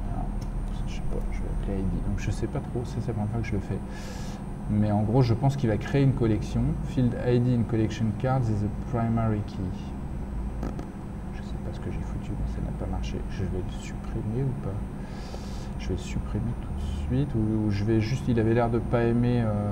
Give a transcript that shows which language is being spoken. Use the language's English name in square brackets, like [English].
[French] Alors, je sais pas. Je vais l'appeler ID. Donc, je sais pas trop. C'est la première fois que je le fais. Mais en gros, je pense qu'il va créer une collection. [English] Field ID in Collection Cards is a primary key. [French] Que j'ai foutu, mais ça n'a pas marché. Je vais le supprimer ou pas? Je vais le supprimer tout de suite ou je vais juste. Il avait l'air de pas aimer.